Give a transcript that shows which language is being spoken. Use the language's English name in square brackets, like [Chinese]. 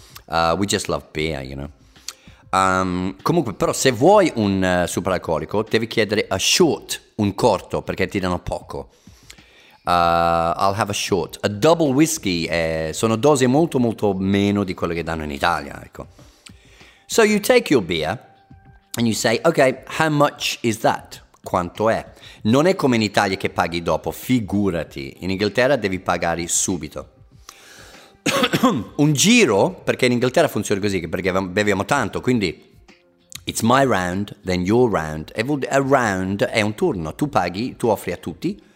[English] We just love beer, you know. [Italian] Comunque, però, se vuoi un superalcolico, devi chiedere a short, un corto, perché ti danno poco. [English] I'll have a short. A double whiskey [Italian] sono dosi molto molto meno di quelle che danno in Italia, ecco. [English] So you take your beer and you say, okay, how much is that? [Italian] Quanto è? Non è come in Italia che paghi dopo, figurati. In Inghilterra devi pagare subito. Un giro, perché in Inghilterra funziona così, perché beviamo tanto, quindi [English] it's my round, then your round. [Italian] A round è un turno, tu paghi, tu offri a tutti.